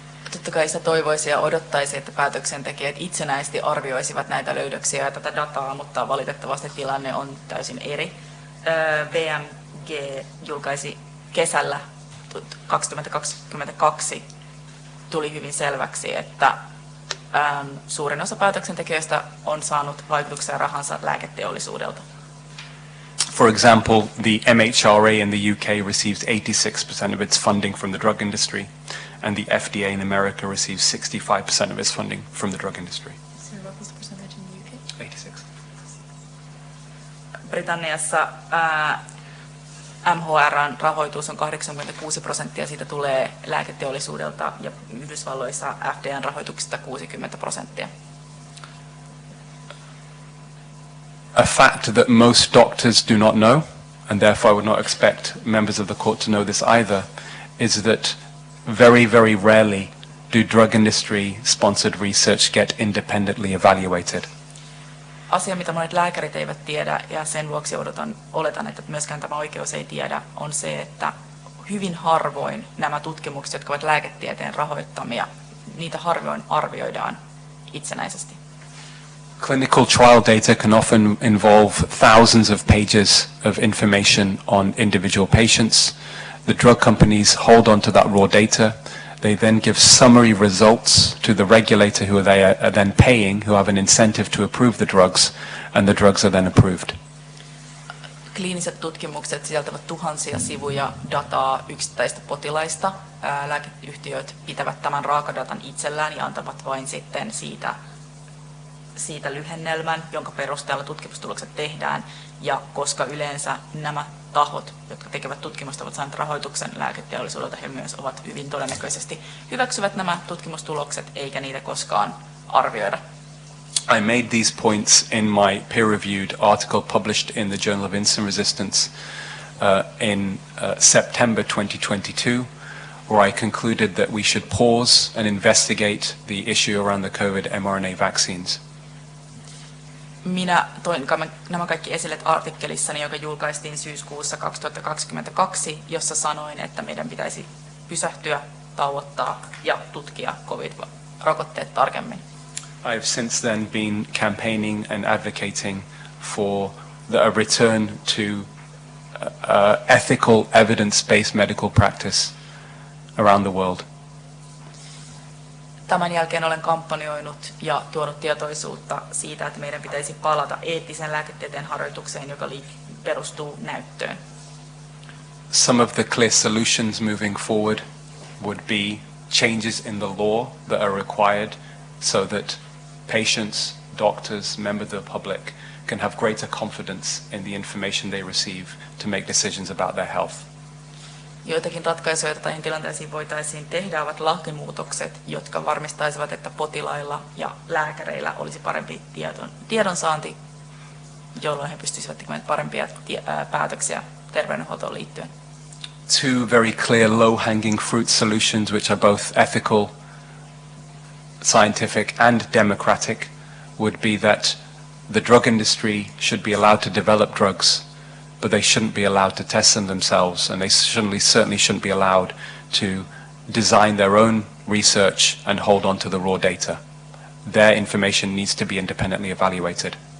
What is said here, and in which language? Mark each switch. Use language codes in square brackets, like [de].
[fi] Totta kai sitä toivoisi ja odottaisi, että päätöksentekijät itsenäisesti arvioisivat näitä löydöksiä ja tätä dataa, mutta valitettavasti tilanne on täysin eri. BMG julkaisi kesällä 2022, tuli hyvin selväksi, että suurin osa päätöksentekijöistä on saanut vaikutuksia rahansa lääketeollisuudelta. [en] For example, the MHRA in the UK receives 86% of its funding from the drug industry, and the FDA in America receives 65% of its funding from the drug industry. So what was the percentage in the UK? 86. [fi] Britanniassa MHR:n rahoitus on 86%, siitä tulee lääketeollisuudelta, ja Yhdysvalloissa FDA:n rahoituksesta 60%. [en] A fact that most doctors do not know, and therefore I would not expect members of the court to know this either, is that very, very rarely do drug industry sponsored research get independently evaluated. [fi] Asia, mitä monet lääkärit eivät tiedä, ja sen vuoksi oletan, että myöskään tämä oikeus ei tiedä, on se, että hyvin harvoin nämä tutkimukset, jotka ovat lääketieteen rahoittamia, niitä harvoin arvioidaan itsenäisesti. [en] Clinical trial data can often involve thousands of pages of information on individual patients. The drug companies hold on to that raw data. They then give summary results to the regulator who they are then paying, who have an incentive to approve the drugs, and the drugs are then approved. [fi] Kliiniset tutkimukset sisältävät tuhansia sivuja dataa yksittäistä potilaista. Lääkeyhtiöt pitävät tämän raakadatan itsellään ja antavat vain sitten siitä lyhennelmän, jonka perusteella tutkimustulokset tehdään, ja koska yleensä nämä tahot, jotka tekevät tutkimusta, ovat saaneet rahoituksen lääketeollisuudelta, he myös ovat hyvin todennäköisesti hyväksyvät nämä tutkimustulokset, eikä niitä koskaan arvioida. [en] I made these points in my peer-reviewed article published in the Journal of Insulin Resistance in September 2022. Where I concluded that we should pause and investigate the issue around the COVID mRNA vaccines. [fi] Minä toin nämä kaikki esille artikkelissani, joka julkaistiin syyskuussa 2022, jossa sanoin, että meidän pitäisi pysähtyä, tauottaa ja tutkia COVID-rokotteet tarkemmin. [en] I've since then been campaigning and advocating for a return to ethical, evidence-based medical practice around the world. [fi] Tämän jälkeen olen kampanjoinut ja tuonut tietoisuutta siitä, että meidän pitäisi palata eettisen lääketieteen harjoitukseen, joka perustuu näyttöön. [en] Some of the clear solutions moving forward would be changes in the law that are required so that patients, doctors, members of the public can have greater confidence in the information they receive to make decisions about their health. [fi] Joitakin ratkaisuja, joita tähän tilanteisiin voitaisiin tehdä, ovat lakimuutokset, jotka varmistaisivat, että potilailla ja lääkäreillä olisi parempi tiedonsaanti, jolloin he pystyisivät tekemään parempia päätöksiä terveydenhuoltoon liittyen. [en] Two very clear low-hanging fruit solutions, which are both ethical, scientific and democratic, would be that the drug industry should be allowed to develop drugs, but they shouldn't be allowed to test them themselves, and they certainly shouldn't be allowed to design their own research and hold on to the raw data. Their information needs to be independently evaluated.